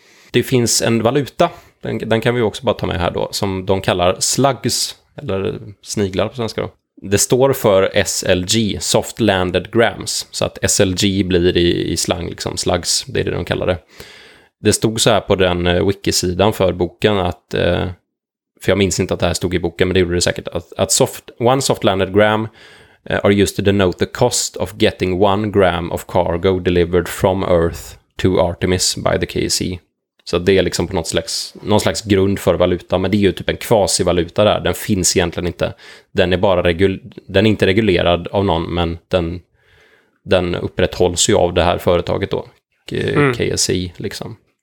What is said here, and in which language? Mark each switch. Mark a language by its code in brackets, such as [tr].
[sv] Det finns en valuta, den kan vi också bara ta med här då, som de kallar slugs, eller sniglar på svenska då. Det står för SLG, soft landed grams, så att SLG blir i slang liksom slugs, det är det de kallar det. Det stod så här på den wiki-sidan för boken att för jag minns inte att det här stod i boken, men det gjorde det säkert. Att [en] one soft landed gram are used to denote the cost of getting one gram of cargo delivered from Earth to Artemis by the KSC. [sv] Så det är liksom på någon slags grund för valuta, men det är ju typ en kvasivaluta där. Den finns egentligen inte. Den är bara den är inte reglerad av någon, men den upprätthålls ju av det här företaget då. KSC liksom.